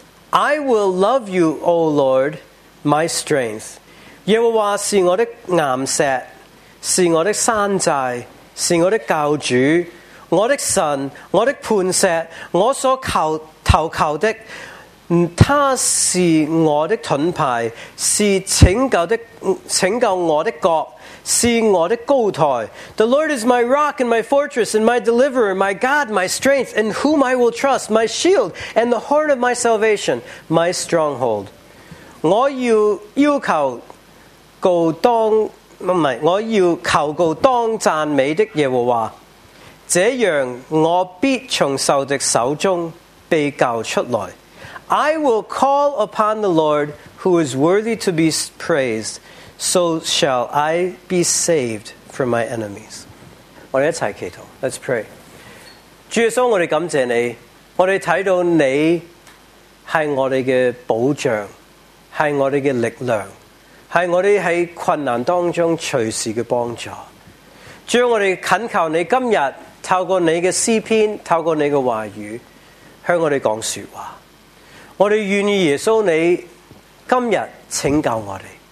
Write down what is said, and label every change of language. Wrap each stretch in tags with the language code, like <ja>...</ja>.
<en>I will love you, O Lord, my strength.</en> <zh>耶和华是我的岩石，是我的山寨，是我的教主。我的神，我的磐石，我所投靠的，他是我的盾牌，是拯救我的国，是我的高台。</zh> <en>The Lord is my rock and my fortress and my deliverer, my God, my strength, in whom I will trust, my shield and the horn of my salvation, my stronghold.</en> <zh>我要要求告当，唔系，我要求告当赞美的耶和华。这样我必从仇敌手中被救出来。</zh> <en>I will call upon the Lord who is worthy to be praised, so shall I be saved from my enemies.</en> <zh>我们一起祈祷</zh> <en>Let's pray.</en> <zh>主耶稣，我们感谢你，我们看到你是我们的保障，是我们的力量，是我们在困难当中随时的帮助。主，我们恳求你今日透过你的诗篇透过你的话语向我们讲说话我们愿意耶稣你今天拯救我们</zh>